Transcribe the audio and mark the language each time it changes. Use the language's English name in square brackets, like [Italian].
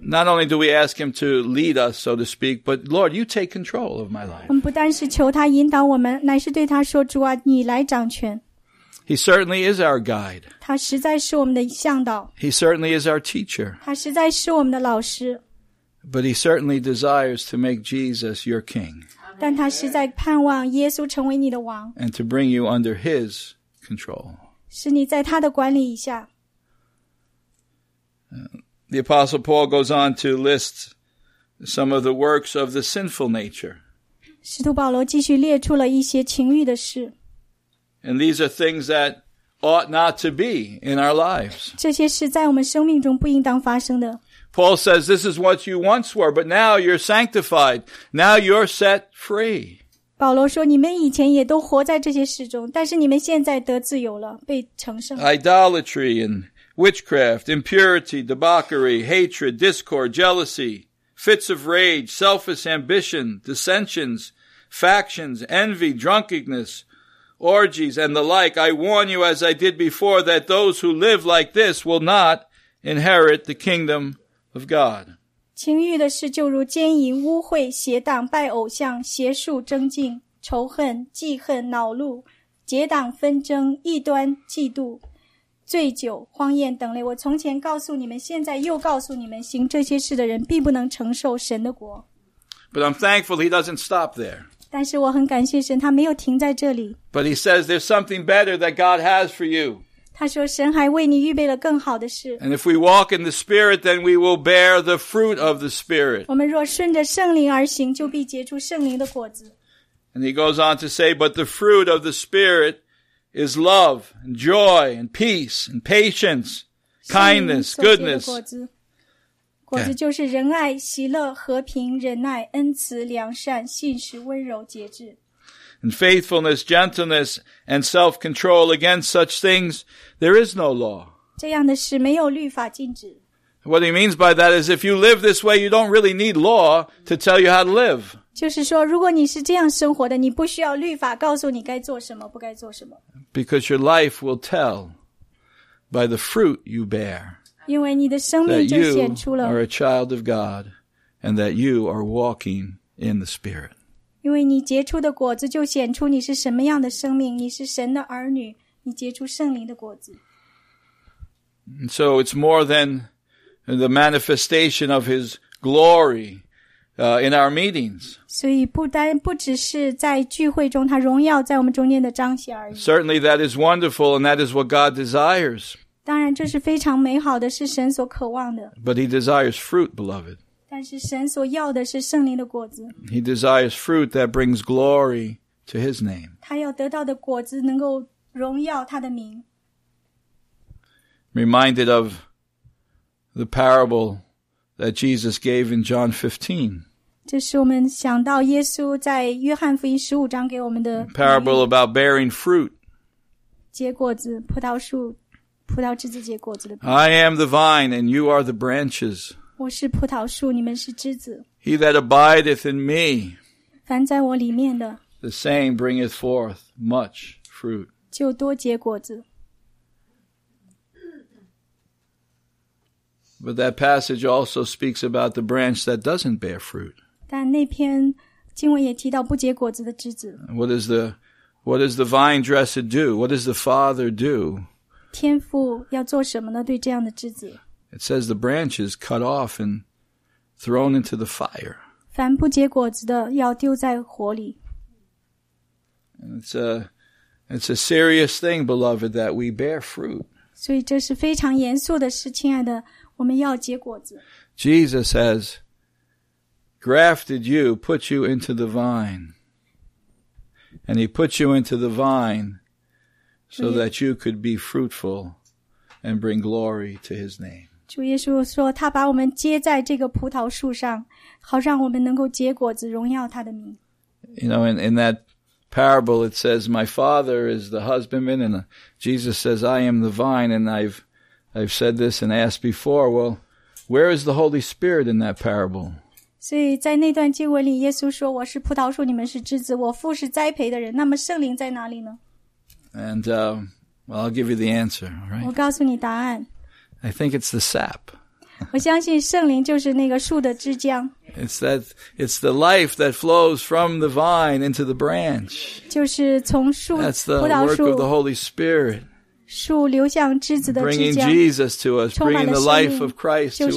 [English] Not only do we ask Him to lead us, so to speak, but Lord, you take control of my life. [Chinese] 我们不单是求他引导我们，乃是对他说，主啊，你来掌权。 [English] He certainly is our guide. [Chinese] 他实在是我们的向导。 [English] He certainly is our teacher. [Chinese] 他实在是我们的老师。 [English] But He certainly desires to make Jesus your king. [Chinese] 但他实在盼望耶稣成为你的王。 [English] And to bring you under His control. [Chinese] 使你在他的管理以下。 [English] The Apostle Paul goes on to list some of the works of the sinful nature. [Chinese] 使徒保罗继续列出了一些情欲的事。 [English] And these are things that ought not to be in our lives. [Chinese] 这些是在我们生命中不应当发生的。 [English] Paul says, this is what you once were, but now you're sanctified. Now you're set free. [Chinese] 保罗说，你们以前也都活在这些事中，但是你们现在得自由了，被成圣。 [English] Idolatry and witchcraft, impurity, debauchery, hatred, discord, jealousy, fits of rage, selfish ambition, dissensions, factions, envy, drunkenness, orgies, and the like. I warn you, as I did before, that those who live like this will not inherit the kingdom of God. [Chinese] 情欲的事就如奸淫、污秽、邪荡、拜偶像、邪术、争竞、仇恨、嫉恨、恼怒、结党纷争、异端、嫉妒、醉酒、荒宴等类。我从前告诉你们，现在又告诉你们，行这些事的人并不能承受神的国。 [English] But I'm thankful he doesn't stop there. [Chinese] 但是我很感谢神，他没有停在这里。 [English] But he says there's something better that God has for you. [Chinese] 他说神还为你预备了更好的事。 [English] And if we walk in the Spirit, then we will bear the fruit of the Spirit. [Chinese] 我们若顺着圣灵而行，就必结出圣灵的果子。 [English] And he goes on to say, but the fruit of the Spirit is love, and joy, and peace, and patience, kindness, goodness. [Chinese] 果子就是仁爱、喜乐、和平、忍耐、恩慈、良善、信实、温柔、节制。 [English] And faithfulness, gentleness, and self-control. Against such things, there is no law. [Chinese] 这样的事没有律法禁止。 [English] What he means by that is, if you live this way, you don't really need law to tell you how to live. [Chinese] 就是说，如果你是这样生活的，你不需要律法告诉你该做什么，不该做什么。 [English] Because your life will tell by the fruit you bear. [Chinese] 因为你的生命就显出了。 [English] That you are a child of God, and that you are walking in the Spirit. [Chinese] 因为你结出的果子就显出你是什么样的生命，你是神的儿女，你结出圣灵的果子。 [English] And so it's more than the manifestation of His glory in our meetings. [Chinese] 所以不只是在聚会中他荣耀在我们中间的彰显而已。 [English] Certainly that is wonderful, and that is what God desires. [Chinese] 当然这是非常美好的，是神所渴望的。 [English] But He desires fruit, beloved. [Chinese] 但是神所要的是圣灵的果子。 [English] He desires fruit that brings glory to His name. [Chinese] 他要得到的果子能够荣耀他的名。 [English] Reminded of the parable that Jesus gave in John 15. [Chinese] 这是我们想到耶稣在约翰福音15章给我们的 [English] parable about bearing fruit. [Chinese] 结果子，葡萄树，葡萄枝子结果子的。 [English] I am the vine and you are the branches. [Chinese] 我是葡萄树，你们是枝子。 [English] He that abideth in me, [Chinese] 凡在我里面的， [English] the same bringeth forth much fruit. [Chinese] 就多结果子。 [English] But that passage also speaks about the branch that doesn't bear fruit. [Chinese] 但那篇经文也提到不结果子的枝子。 [English] What does the vine dresser do? What does the father do? [Chinese] 天父要做什么呢？对这样的枝子。 [English] It says the branch is cut off and thrown into the fire. [Chinese] 凡不结果子的要丢在火里。 [English] It's a serious thing, beloved, that we bear fruit. [Chinese] 所以这是非常严肃的事，亲爱的。我们要结果子。 [English] Jesus has grafted you, put you into the vine. And he put you into the vine so that you could be fruitful and bring glory to his name. [Chinese] 主耶稣说，他把我们接在这个葡萄树上，好让我们能够结果子，荣耀他的名。 [English] You know, in that parable, it says, my father is the husbandman, and Jesus says, I am the vine, and I've I've said this and asked before, well, where is the Holy Spirit in that parable? [Chinese] 所以在那段经文里，耶稣说：“我是葡萄树，你们是枝子，我父是栽培的人。” 那么圣灵在哪里呢？ [English] And, well, I'll give you the answer, all right? [Chinese] 我告诉你答案。 [English] I think it's the sap. [Chinese] 我相信圣灵就是那个树的枝浆。 [English] It's the life that flows from the vine into the branch. [Chinese] 就是从树葡萄树。 [English] That's the work of the Holy Spirit. [Chinese] 树流向枝子的枝浆。 [English] Bringing Jesus to us, bringing the life of Christ to us.